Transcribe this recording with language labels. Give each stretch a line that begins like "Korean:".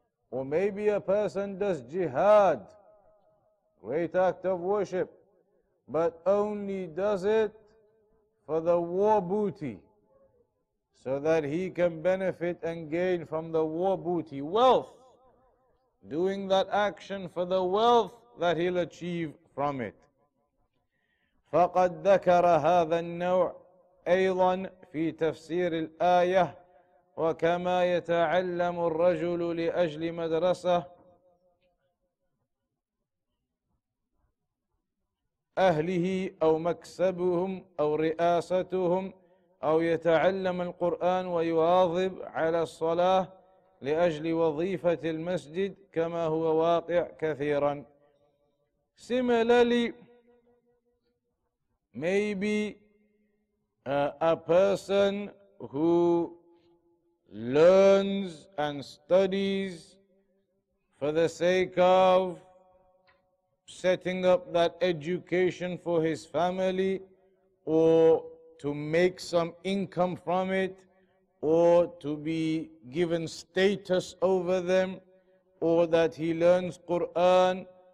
English: Or maybe a person does jihad, great act of worship, but only does it for the war booty, so that he can benefit and gain from the war booty, wealth. Doing that action for the wealth that he'll achieve from it.
Arabic: فَقَدْ ذَكَرَ هَذَا النَّوْعَ أَيْضًا فِي تَفْسِيرِ الْآيَةِ وَكَمَا يَتَعَلَّمُ الرَّجُلُ لِأَجْلِ مَدْرَسَةِ أهله أو مكسبهم أو رئاستهم أو يتعلم القرآن ويواظب على الصلاة لأجل وظيفة المسجد كما هو واقع كثيرا.
English: Similarly, maybe a person who learns and studies for the sake of setting up that education for his family, or to make some income from it, or to be given status over them, or that he learns Quran,